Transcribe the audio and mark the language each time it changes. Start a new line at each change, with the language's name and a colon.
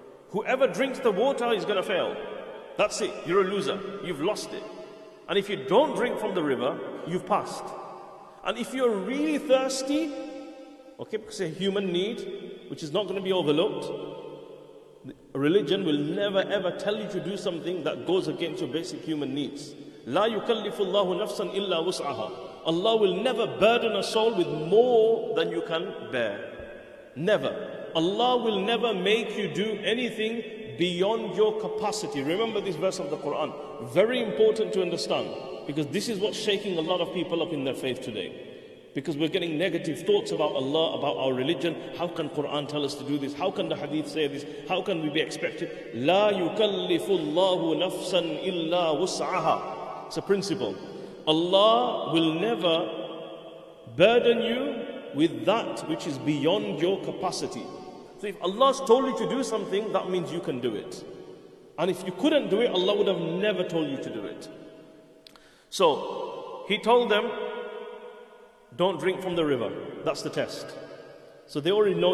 English: Whoever drinks the water is going to fail. That's it. You're a loser. You've lost it. And if you don't drink from the river, you've passed. And if you're really thirsty, okay, because a human need, which is not going to be overlooked, religion will never ever tell you to do something that goes against your basic human needs.
Arabic: لا يكلف الله نفسا إلا وسعها.
English: Allah will never burden a soul with more than you can bear. Never. Allah will never make you do anything beyond your capacity. Remember this verse of the Quran. Very important to understand, because this is what's shaking a lot of people up in their faith today. Because we're getting negative thoughts about Allah, about our religion. How can Quran tell us to do this? How can the hadith say this? How can we be expected?
Arabic: لا يكلف الله نفسا إلا وسعها.
English: It's a principle. Allah will never burden you with that which is beyond your capacity. So if Allah's told you to do something, that means you can do it. And if you couldn't do it, Allah would have never told you to do it. So He told them, don't drink from the river. That's the test. So they already know.